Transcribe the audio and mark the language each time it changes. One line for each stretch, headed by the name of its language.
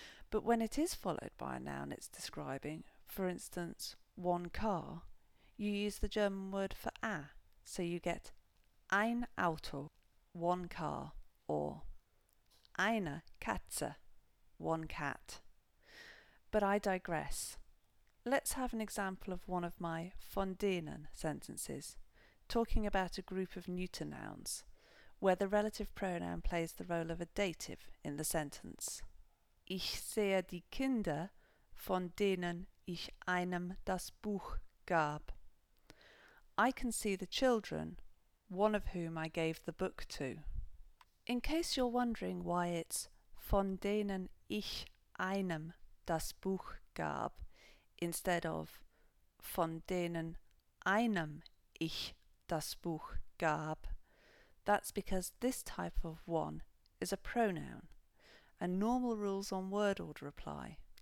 English: But when it is followed by a noun it's describing, for instance, one car, you use the German word for a, so you get
German: ein Auto,
English: one car, or
German: eine Katze,
English: one cat. But I digress. Let's have an example of one of my
German: von denen
English: sentences, talking about a group of neuter nouns, where the relative pronoun plays the role of a dative in the sentence.
German: Ich sehe die Kinder, von denen ich einem das Buch gab.
English: I can see the children, one of whom I gave the book to. In case you're wondering why it's
German: von denen ich einem das Buch gab,
English: instead of
German: von denen einem ich das Buch gab,
English: that's because this type of one is a pronoun, and normal rules on word order apply.